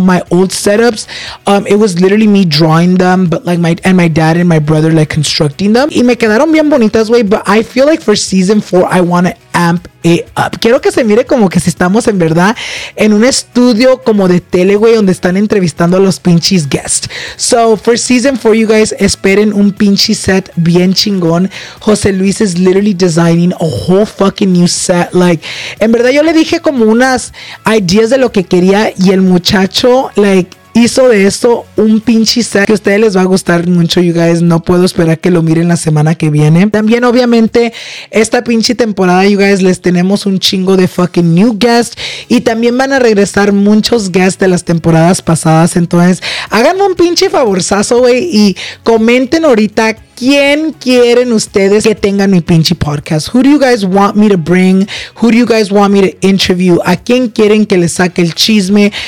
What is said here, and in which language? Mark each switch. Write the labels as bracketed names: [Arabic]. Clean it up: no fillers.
[English] My old setups, it was literally me drawing them, but like my dad and my brother like constructing them. Y me quedaron bien bonitas, güey, but I feel like for season 4, I want to amp it up. [Spanish] Quiero que se mire como que si estamos en verdad en un estudio como de tele, güey, donde están entrevistando a los pinches guests. So, for season 4, you guys, esperen un pinche set bien chingón. [English] José Luis is literally designing a whole fucking new set. [Spanish] Like, en verdad yo le dije como unas ideas de lo que quería y el muchacho, like, hizo de esto un pinche set que a ustedes les va a gustar mucho, you guys. No puedo esperar que lo miren la semana que viene. También, obviamente, esta pinche temporada, you guys, les tenemos un chingo de fucking new guests. Y también van a regresar muchos guests de las temporadas pasadas. Entonces, háganme un pinche favorzazo, güey, y comenten ahorita ¿Quién quieren ustedes que tengan mi pinche podcast? [English] Who do you guys want me to bring? Who do you guys want me to interview? [Spanish] ¿A quién quieren que les saque el chisme?